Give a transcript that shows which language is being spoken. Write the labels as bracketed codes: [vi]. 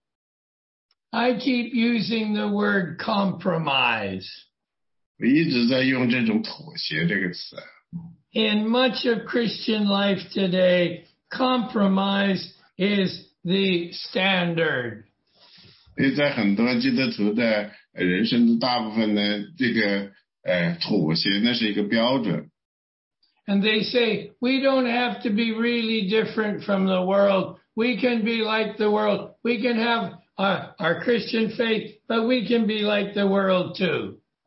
[zh] 你甚至说呢，你不要花太多的时间和他们在一起，你就是这样怜悯他们，你要把他们呢从火里救出来，然后呢，你不会花太多的时间去跟他去协调妥协，这样呢，如果说是以免你没有把他救出来，他把你拉进去了。 [en] I keep using the word compromise. [zh] 我一直在用这种妥协这个词。 [en] In much of Christian life today, compromise is the standard. [zh] 在很多基督徒的人生的大部分呢，这个妥协呢是一个标准。 [en] And they say, we don't have to be really different from the world. We can be like the world. We can have our Christian faith, but we can be like the world too.